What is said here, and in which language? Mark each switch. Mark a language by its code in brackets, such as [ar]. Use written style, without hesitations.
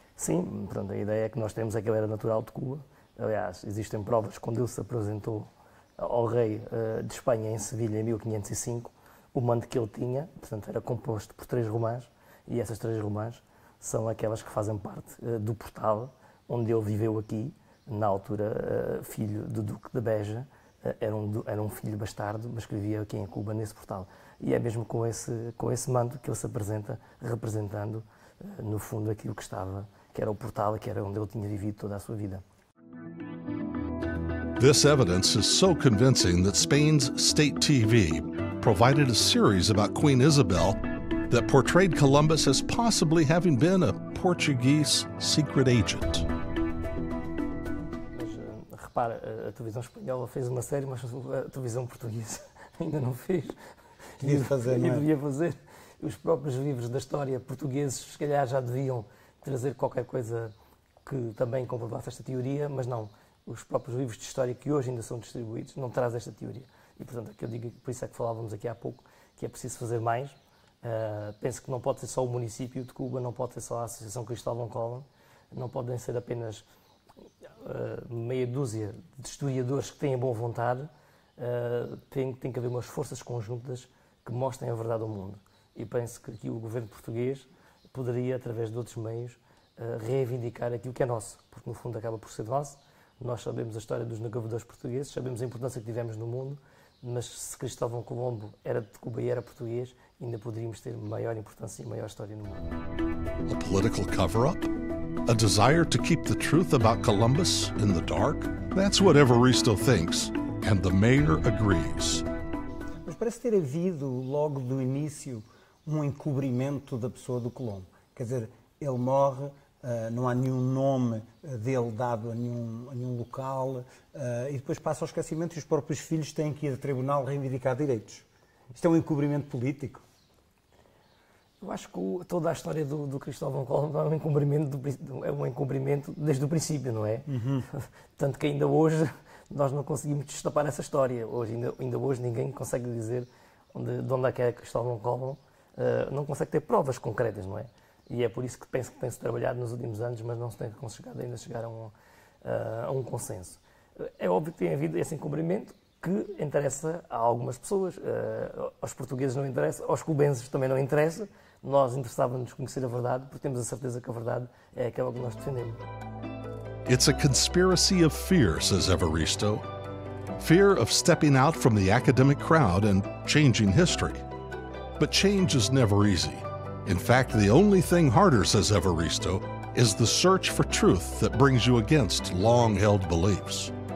[pt] Sim, portanto, a ideia que nós temos é que ele era natural de Cuba. Aliás, existem provas quando ele se apresentou ao rei de Espanha em Sevilha em 1505, o mando que ele tinha, portanto, era composto por três romãs, e essas três romãs são aquelas que fazem parte do portal onde ele viveu aqui, na altura, filho do Duque de Beja, era um filho bastardo, mas que vivia aqui em Cuba, nesse portal. E é mesmo com esse mando que ele se apresenta, representando, no fundo, aquilo que estava, que era o portal, que era onde ele tinha vivido toda a sua vida. [en] This evidence is so convincing that Spain's state TV provided a series about Queen Isabel that portrayed Columbus as possibly having been a Portuguese secret agent. [pt] Mas, repara, a televisão espanhola fez uma série, mas a televisão portuguesa ainda não fez. devia fazer, não é? E devia fazer. Os próprios livros da história portugueses, se calhar, já deviam trazer qualquer coisa que também comprovasse esta teoria, mas não. Os próprios livros de história que hoje ainda são distribuídos não trazem esta teoria. E, portanto, é que eu digo, por isso é que falávamos aqui há pouco, que é preciso fazer mais. Penso que não pode ser só o município de Cuba, não pode ser só a Associação Cristóvão Colón, não podem ser apenas meia dúzia de historiadores que têm a boa vontade. Tem que haver umas forças conjuntas que mostrem a verdade ao mundo. E penso que aqui o governo português poderia, através de outros meios, reivindicar aquilo que é nosso, porque no fundo acaba por ser nosso. Nós sabemos a história dos navegadores portugueses, sabemos a importância que tivemos no mundo, mas se Cristóvão Colombo era de Cuba e era português, ainda poderíamos ter maior importância e maior história no mundo. [en] A political cover-up? A desire to keep the truth about Columbus in the dark? That's what Evaristo thinks, and the mayor agrees. [pt] Mas parece ter havido, logo do início, um encobrimento da pessoa do Colombo. Quer dizer, ele morre, não há nenhum nome dele dado a nenhum local, e depois passa ao esquecimento e os próprios filhos têm que ir a tribunal reivindicar direitos. Isto é um encobrimento político. Eu acho que toda a história do Cristóvão Colombo é um encobrimento desde o princípio, não é? Uhum. Tanto que ainda hoje nós não conseguimos destapar essa história. Ainda hoje ninguém consegue dizer de onde é que é Cristóvão Colombo. Não consegue ter provas concretas, não é? E é por isso que penso que tem-se trabalhado nos últimos anos, mas não se tem conseguido ainda chegar a um consenso. É óbvio que tem havido esse encobrimento que interessa a algumas pessoas. Aos portugueses não interessa, aos cubenses também não interessa. Nós interessávamos-nos conhecer a verdade, porque temos a certeza que a verdade é aquela que nós defendemos. [en] It's a conspiracy of fear, says Evaristo. Fear of stepping out from the academic crowd and changing history. But change is never easy. In fact, the only thing harder, says Evaristo, is the search for truth that brings you against long-held beliefs.